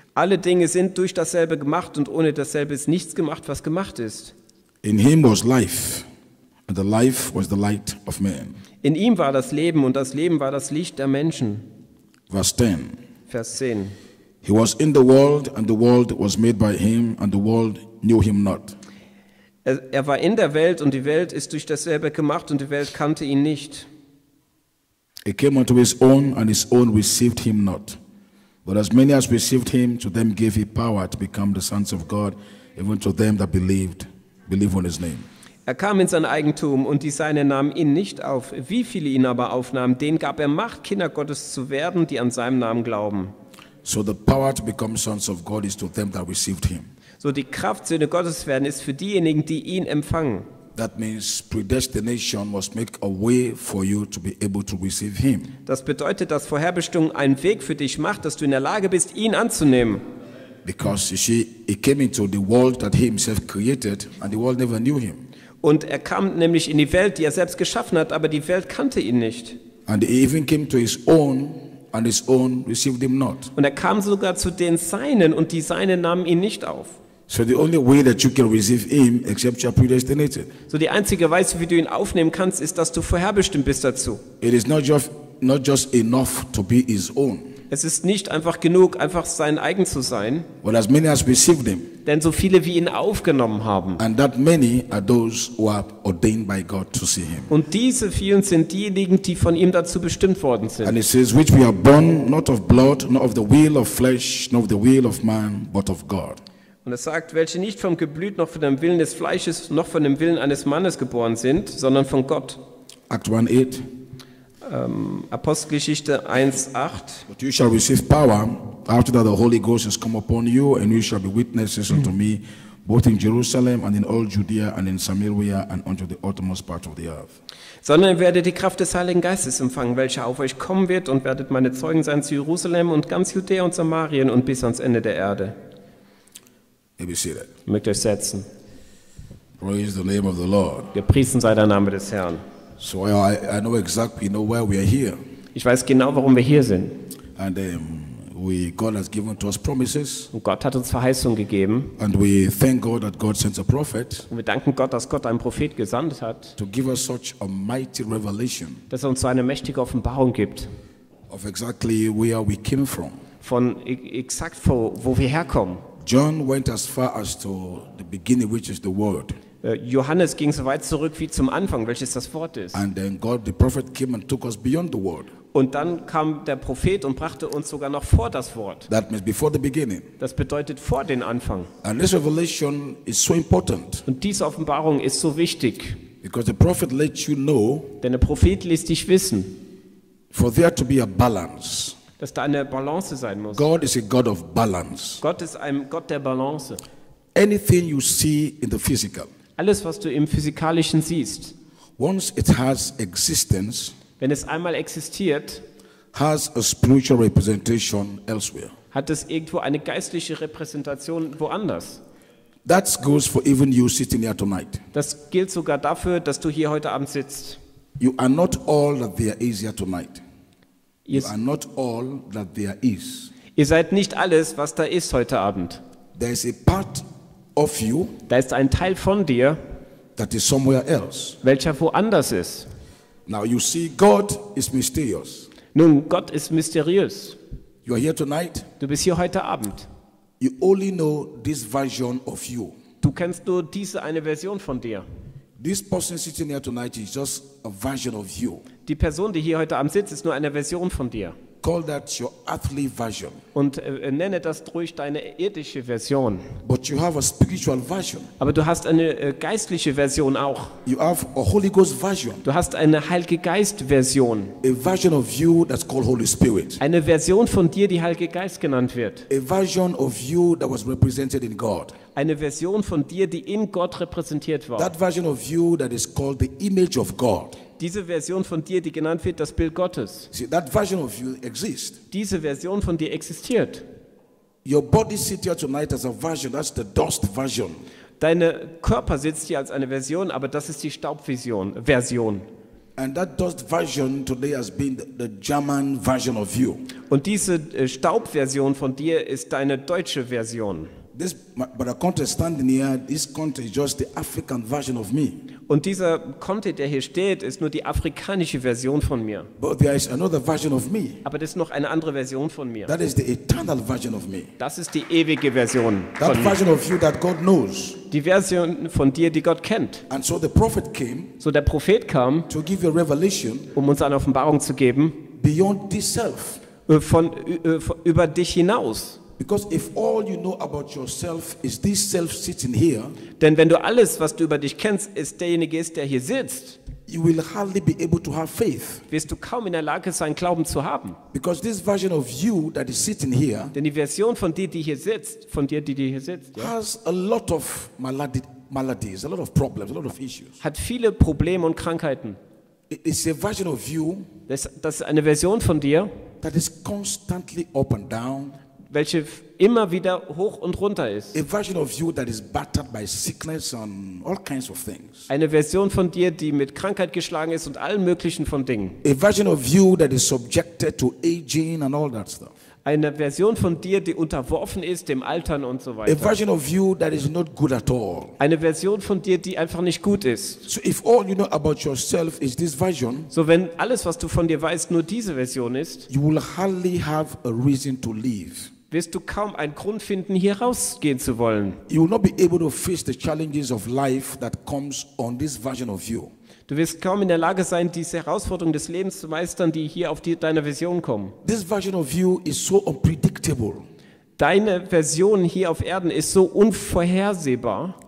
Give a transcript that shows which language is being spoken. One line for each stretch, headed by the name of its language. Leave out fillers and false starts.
German: Alle Dinge sind durch dasselbe gemacht, und ohne dasselbe ist nichts gemacht, was gemacht ist.
English: In him was life, And the life was the light of man.
German: In ihm war das Leben und das Leben war das Licht der Menschen. Vers 10.
English: He was in the world and the world was made by him and the world knew him not.
German: Er war in der Welt und die Welt ist durch dasselbe gemacht und die Welt kannte ihn nicht.
English: He came unto his own and his own received him not. But as many as received him, to them gave he power to become the sons of God, even to them that believe on his name.
German: Er kam in sein Eigentum und die Seine nahmen ihn nicht auf. Wie viele ihn aber aufnahmen, denen gab er Macht, Kinder Gottes zu werden, die an seinem Namen glauben.
English: So the power to become sons of God is to them that received him.
German: So die Kraft, Söhne Gottes werden, ist für diejenigen, die ihn empfangen.
English: That means predestination must make a way for you to be able to receive him.
German: Das bedeutet, dass Vorherbestimmung einen Weg für dich macht, dass du in der Lage bist, ihn anzunehmen.
English: Because you see, he came into the world that he himself created, and the world never knew him.
German: Und er kam nämlich in die Welt, die er selbst geschaffen hat, aber die Welt kannte ihn nicht.
English: And he even came to his own, and his own received him not.
German: Und er kam sogar zu den Seinen, und die Seinen nahmen ihn nicht auf.
English: So the only way that you can receive him, except you are predestinated.
German: So die einzige Weise, wie du ihn aufnehmen kannst, ist, dass du vorherbestimmt bist dazu.
English: It is not just enough to be his own.
German: Es ist nicht einfach genug, einfach sein eigen zu sein.
English: Well, as many as received him.
German: Denn so viele, wie ihn aufgenommen haben.
English: And that many are those who are ordained by God to see him.
German: Und diese vielen sind diejenigen, die von ihm dazu bestimmt worden sind.
English: And it says, which we are born not of blood, not of the will of flesh, not of the will of man, but of God.
German: Und es sagt, welche nicht vom Geblüt noch von dem Willen des Fleisches noch von dem Willen eines Mannes geboren sind, sondern von Gott.
English: Act 1:8.
German: Apostelgeschichte 1:8.
English: But you shall receive power after that the Holy Ghost has come upon you, and you shall be witnesses unto me, both in Jerusalem and in all Judea and in Samaria and unto the uttermost part of the earth.
German: Sondern ihr werdet die Kraft des Heiligen Geistes empfangen, welche auf euch kommen wird, und werdet meine Zeugen sein zu Jerusalem und ganz Judäa und Samarien und bis ans Ende der Erde. Mögt euch setzen.
English: Praise the name of the Lord.
German: Gepriesen sei der Name des Herrn.
English: So I know exactly why we are here.
German: Ich weiß genau, warum wir hier sind.
English: And God has given to us promises.
German: Und Gott hat uns Verheißungen gegeben.
English: And we thank God that God sends a prophet.
German: Und wir danken Gott, dass Gott einen Prophet gesandt hat.
English: To give us such a mighty revelation.
German: Dass er uns so eine mächtige Offenbarung gibt.
English: Of exactly where we came from.
German: Von exakt wo wir herkommen.
English: John went as far as to the beginning, which is the Word.
German: Johannes ging so weit zurück wie zum Anfang, welches das Wort ist.
English: And then God, the prophet, came and took us beyond the Word.
German: Und dann kam der Prophet und brachte uns sogar noch vor das Wort.
English: That means before the beginning.
German: Das bedeutet vor den Anfang.
English: And this revelation is so important.
German: Und diese Offenbarung ist so wichtig.
English: Because the prophet lets you know.
German: Denn der Prophet lässt dich wissen.
English: For there to be a balance.
German: Dass da eine Balance sein muss.
English: God is a God of balance.
German: Gott ist ein Gott der Balance.
English: Anything you see in the physical.
German: Alles, was du im Physikalischen siehst.
English: Once it has existence.
German: Wenn es einmal existiert.
English: Has a spiritual representation elsewhere.
German: Hat es irgendwo eine geistliche Repräsentation woanders.
English: That goes for even you sitting here tonight.
German: Das gilt sogar dafür, dass du hier heute Abend sitzt.
English: You are not all that there is here tonight. You are not all that there is.
German: Ihr seid nicht alles, was da ist heute Abend.
English: There is a part of you.
German: Da ist ein Teil von dir.
English: That is somewhere else.
German: Welcher woanders ist.
English: Now you see, God is mysterious.
German: Nun, Gott ist mysteriös.
English: You are here tonight.
German: Du bist hier heute Abend.
English: You only know this version of you.
German: Du kennst nur diese eine Version von dir.
English: This person sitting here tonight is just a version of you.
German: Die Person, die hier heute Abend sitzt, ist nur eine Version von dir.
English: Call that your earthly version.
German: Und nenne das ruhig deine irdische Version.
English: But you have a spiritual version.
German: Aber du hast eine geistliche Version auch.
English: You have a Holy Ghost version.
German: Du hast eine Heilige Geist-Version.
English: A version of you that's called Holy Spirit.
German: Eine Version von dir, die Heilige Geist genannt wird.
English: A version of you that was represented in God.
German: Eine Version von dir, die in Gott repräsentiert war.
English: That version of you that is called the image of God.
German: Diese Version von dir, die genannt wird, das Bild Gottes.
English: See, that version of you exists.
German: Diese Version von dir existiert.
English: Your body sits here tonight as a version. That's the dust version.
German: Deine Körper sitzt hier als eine Version, aber das ist die Staubvision, Version.
English: And that dust version today has been the German version of you.
German: Und diese Staubversion von dir ist deine deutsche Version.
English: This, but I can't stand here. This country is just the African version of me.
German: Und dieser Conte, der hier steht, ist nur die afrikanische Version von mir.
English: But there is another version of me.
German: Aber das ist noch eine andere Version von mir.
English: That is the eternal version of me.
German: Das ist die ewige Version
English: that
German: von
English: version
German: mir.
English: Of you that God knows.
German: Die Version von dir, die Gott kennt.
English: And so, the prophet came,
German: so der Prophet kam,
English: to give you a revelation,
German: um uns eine Offenbarung zu geben,
English: beyond this self.
German: Von über dich hinaus.
English: Because if all you know about yourself is this self sitting here,
German: denn wenn du alles, was du über dich kennst, ist derjenige, ist, der hier sitzt,
English: you will hardly be able to have faith.
German: Wirst du kaum in der Lage sein, Glauben zu haben.
English: Because this version of you that is sitting here,
German: denn die Version von dir, die hier sitzt,
English: has a lot of maladies, a lot of problems, a lot of issues.
German: Hat viele Probleme und Krankheiten.
English: It's a version of you.
German: Das ist eine Version von dir.
English: That is constantly up and down.
German: Welche immer wieder hoch und runter ist.
English: A version of you that is battered by sickness and all kinds of things.
German: Eine Version von dir, die mit Krankheit geschlagen ist und allen möglichen von Dingen.
English: A version of you that is subjected to aging and all that stuff.
German: Eine Version von dir, die unterworfen ist dem Altern und so weiter.
English: A version of you that is not good at all.
German: Eine Version von dir, die einfach nicht gut ist.
English: So if all you know about yourself is this version,
German: so wenn alles, was du von dir weißt, nur diese Version ist,
English: you will hardly have a reason to live.
German: Wirst du kaum einen Grund finden, hier rausgehen zu wollen.
English: You will not be able to face the challenges of life that comes on this version of you.
German: Du wirst kaum in der Lage sein, diese Herausforderungen des Lebens zu meistern, die hier auf deiner Vision kommen.
English: This version of you is so unpredictable.
German: Deine Version hier auf Erden ist so unvorhersehbar.